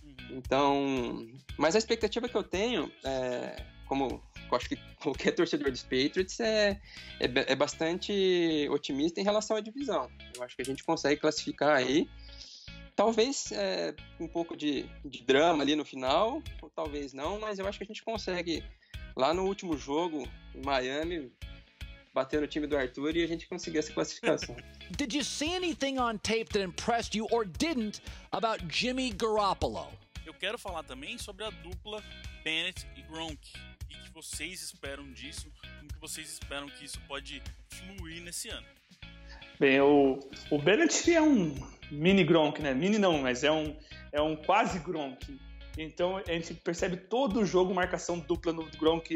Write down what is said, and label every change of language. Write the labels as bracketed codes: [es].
[pt] Então, mas a expectativa que eu tenho, como eu acho que qualquer torcedor dos Patriots, é bastante otimista em relação à divisão. Eu acho que a gente consegue classificar aí, talvez um pouco de drama ali no final, ou talvez não, mas eu acho que a gente consegue, lá no último jogo, em Miami, bater no time do Arthur e a gente conseguir essa classificação. [en] Did you see anything on tape that impressed you or didn't about Jimmy Garoppolo? [pt] Eu quero falar também sobre a dupla Bennett e Gronk. O que vocês esperam disso? Como que vocês esperam que isso pode fluir nesse ano? Bem, o Bennett é um mini Gronk, né? Mini não, mas é um quase Gronk. Então a gente percebe todo o jogo marcação dupla no Gronk.